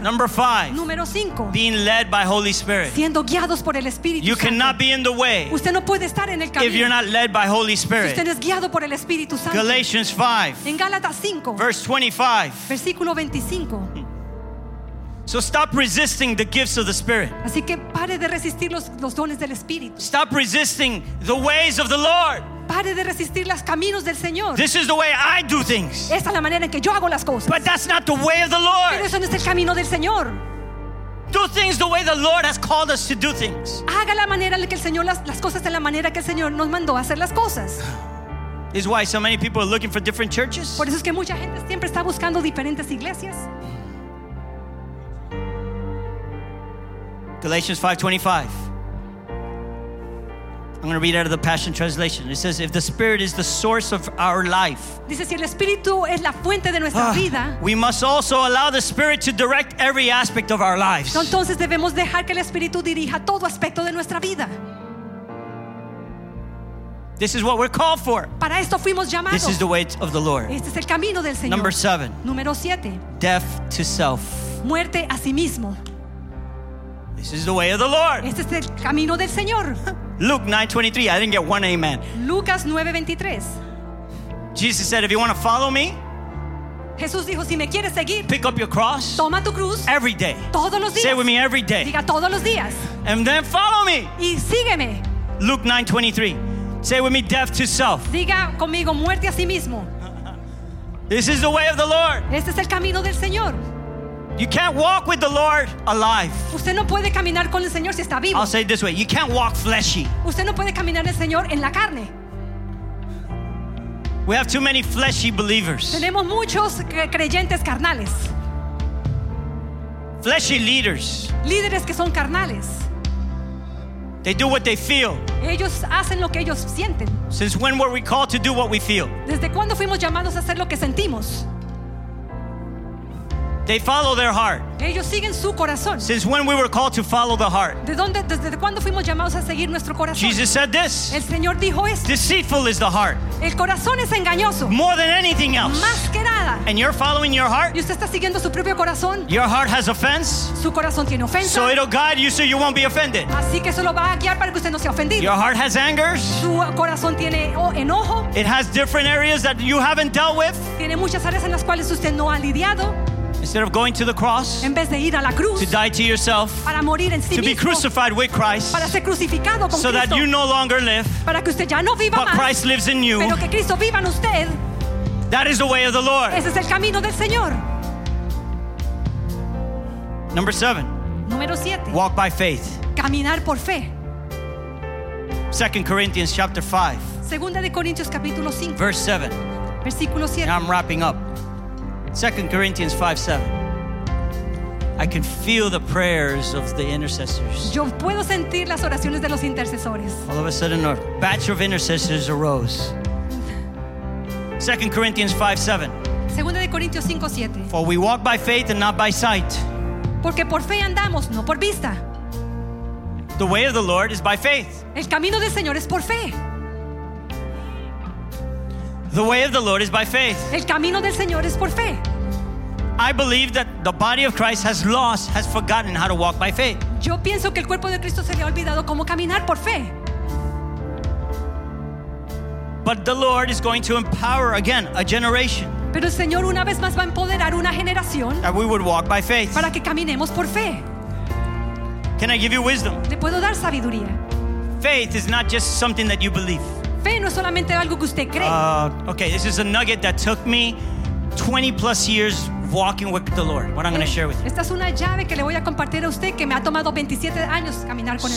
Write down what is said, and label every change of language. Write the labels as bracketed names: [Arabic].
[English] Number five, being led by Holy Spirit. [Spanish] Siendo guiados por el Espíritu [English] you [Spanish] Santo. [English] Cannot be in the way, [Spanish] usted no puede estar en el camino, [English] if you're not led by Holy Spirit. [Spanish] Si usted no es guiado por el Espíritu Santo. [English] Galatians 5, [Spanish] en Gálatas 5, [English] verse 25, [Spanish] versículo 25. [English] So stop resisting the gifts of the Spirit. [Spanish] Así que pare de resistir los dones del Espíritu. [English] Stop resisting the ways of the Lord. [Spanish] Pare de resistir los caminos del Señor. [English] This is the way I do things. [Spanish] Esa es la manera en que yo hago las cosas. [English] But that's not the way of the Lord. [Spanish] Pero eso no es el camino del Señor. [English] Do things the way the Lord has called us to do things. [Spanish] Haga la manera en que el Señor las cosas de la manera que el Señor nos mandó a hacer las cosas. [English] Is why so many people are looking for different churches. [Spanish] Por eso es que mucha gente siempre está buscando diferentes iglesias. [English] Galatians 5:25. I'm going to read out of the Passion Translation. It says, if the Spirit is the source of our life, [Spanish] dice, si el Espíritu es la fuente de nuestra vida, [English] we must also allow the Spirit to direct every aspect of our lives. [Spanish] Entonces debemos dejar que el Espíritu dirija todo aspecto de nuestra vida. [English] This is what we're called for. [Spanish] Para esto fuimos llamados. [English] This is the way of the Lord. [Spanish] Este es el camino del Señor. [English] Number 7. [Spanish] Número 7. [English] Death to self. [Spanish] Muerte a sí mismo. [English] This is the way of the Lord. [Spanish] Este es el camino del Señor. [English] Luke 9:23. I didn't get one amen. [Spanish] Lucas 9:23. [English] Jesus said, if you want to follow me, [Spanish] Jesús dijo, si me quieres seguir, [English] pick up your cross. [Spanish] Toma tu cruz. [English] Every day. [Spanish] Todos los días. [English] Say with me, every day. [Spanish] Diga todos los días. [English] And then follow me. [Spanish] Y sígueme. [English] Luke 9:23. Say with me, death to self. [Spanish] Diga conmigo, muerte a sí mismo. [English] This is the way of the Lord. [Spanish] Este es el camino del Señor. [English] You can't walk with the Lord alive. [Spanish] Usted no puede caminar con el Señor si está vivo. [English] I'll say it this way. You can't walk fleshy. [Spanish] Usted no puede caminar el Señor en la carne. [English] We have too many fleshy believers. [Spanish] Tenemos muchos creyentes carnales. [English] Fleshy leaders. [Spanish] Líderes que son carnales. [English] They do what they feel. [Spanish] Ellos hacen lo que ellos sienten. [English] Since when were we called to do what we feel? [Spanish] ¿Desde cuándo fuimos llamados a hacer lo que sentimos? [English] They follow their heart. [Spanish] Ellos siguen su corazón. [English] Since when we were called to follow the heart? [Spanish] ¿Desde cuándo fuimos llamados a seguir nuestro corazón? [English] Jesus said this. [Spanish] El Señor dijo esto. [English] Deceitful is the heart. [Spanish] El corazón es engañoso. [English] More than anything else. [Spanish] Más que nada. [English] And you're following your heart? [Spanish] ¿Y usted está siguiendo su propio corazón? [English] Your heart has offense. [Spanish] Su corazón tiene ofensa. [English] So it'll guide you so you won't be offended. [Spanish] Así que eso lo va a guiar para que usted no sea ofendido. [English] Your heart has angers. [Spanish] Su corazón tiene enojo. [English] It has different areas that you haven't dealt with. [Spanish] Tiene muchas áreas en las cuales usted no ha lidiado. [English] Instead of going to the cross, [Spanish] en vez de ir a la cruz, [English] to die to yourself, [Spanish] para morir en sí [English] to [Spanish] mismo, [English] be crucified with Christ, [Spanish] para ser crucificado con [English] so [Spanish] Cristo, [English] that you no longer live, [Spanish] para que usted ya no viva [English] but [Spanish] más, [English] Christ lives in you, [Spanish] pero que Cristo viva en usted. [English] That is the way of the Lord. [Spanish] Ese es el camino del Señor. [English] Number 7. [Spanish] Número 7. [English] Walk by faith. [Spanish] Caminar por fe. [English] 2 Corinthians chapter 5. [Spanish] Segunda de Corintios capítulo 5. [English] Verse 7. [Spanish] Versículo 7. [English] Now I'm wrapping up. 2 Corinthians 5:7. I can feel the prayers of the intercessors. [Spanish] Yo puedo sentir las oraciones de los intercesores. [English] All of a sudden, a batch of intercessors arose. 2 Corinthians 5:7. [Spanish] Segunda de Corintios 5:7. [English] For we walk by faith and not by sight. [Spanish] Porque por fe andamos, no por vista. [English] The way of the Lord is by faith. [Spanish] El camino del Señor es por fe. [English] The way of the Lord is by faith. [Spanish] El camino del Señor es por fe. [English] I believe that the body of Christ has forgotten how to walk by faith. [Spanish] Yo pienso que el cuerpo de Cristo se le ha olvidado cómo caminar por fe. [English] But the Lord is going to empower again a generation. [Spanish] Pero el Señor una vez más va a empoderar una generación. [English] That we would walk by faith. [Spanish] Para que caminemos por fe. [English] Can I give you wisdom? [Spanish] ¿Le puedo dar sabiduría? [English] Faith is not just something that you believe. [Spanish] Fe no es solamente algo que usted cree. [English] Okay, this is a nugget that took me 20 plus years walking with the Lord. What I'm going to share with you. [Spanish] Esta es una llave que le voy a compartir a usted que me ha tomado 27 años caminar con el